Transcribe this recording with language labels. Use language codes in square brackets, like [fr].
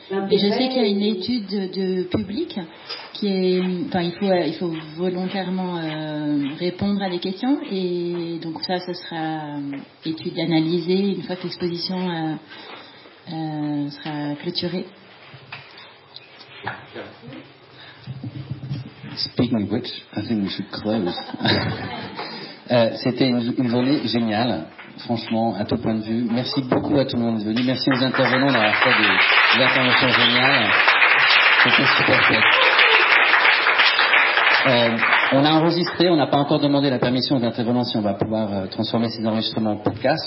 [fr] Et je sais qu'il y a une étude de public qui est, enfin, il faut volontairement répondre à des questions, et donc ça, ce sera étude analysée une fois que l'exposition sera clôturée. [en] Speaking of which, I think we should close. [fr] c'était une journée géniale. Franchement, à tout point de vue, merci beaucoup à tout le monde venu. Merci aux intervenants d'avoir fait des interventions géniales. C'était super fait. On a enregistré, on n'a pas encore demandé la permission aux intervenants si on va pouvoir transformer ces enregistrements en podcast.